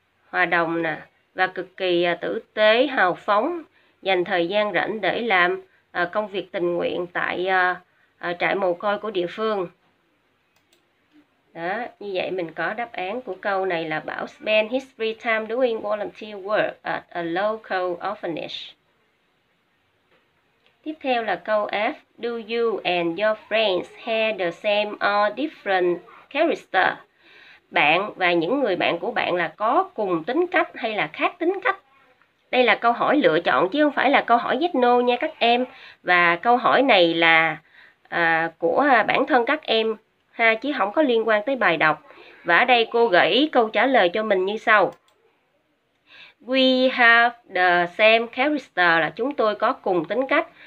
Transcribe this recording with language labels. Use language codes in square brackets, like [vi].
[vi] Hòa đồng nè, và cực kỳ tử tế, hào phóng, dành thời gian rảnh để làm công việc tình nguyện tại trại mồ côi của địa phương. Đó, như vậy mình có đáp án của câu này là Bảo [en] spend his free time doing volunteer work at a local orphanage. [vi] Tiếp theo là câu F. [en] Do you and your friends have the same or different character? [vi] Bạn và những người bạn của bạn là có cùng tính cách hay là khác tính cách? Đây là câu hỏi lựa chọn chứ không phải là câu hỏi yes no nha các em. Và câu hỏi này là của bản thân các em ha, chứ không có liên quan tới bài đọc. Và ở đây cô gợi ý câu trả lời cho mình như sau. [en] We have the same character [vi] là chúng tôi có cùng tính cách.